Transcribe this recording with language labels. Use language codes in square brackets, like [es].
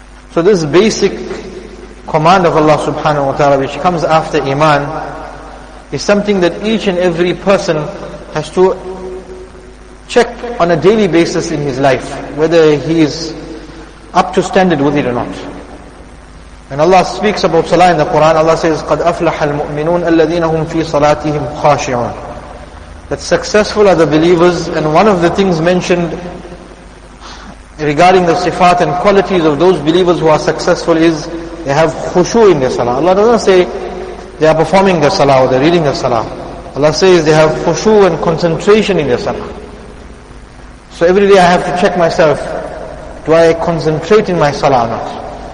[en] So this basic command of Allah subhanahu wa ta'ala, which comes after iman, is something that each and every person has to check on a daily basis in his life, whether he is up to standard with it or not. And Allah speaks about salah in the Quran. Allah says, [ar] قَدْ أَفْلَحَ الْمُؤْمِنُونَ الَّذِينَ هُمْ فِي صَلَاتِهِمْ خَاشِعُونَ. [en] That successful are the believers. And one of the things mentioned regarding the sifat and qualities of those believers who are successful is they have khushu in their salah. Allah doesn't say they are performing their salah or they're reading their salah. Allah says they have khushu and concentration in their salah. So every day I have to check myself, do I concentrate in my salah or not?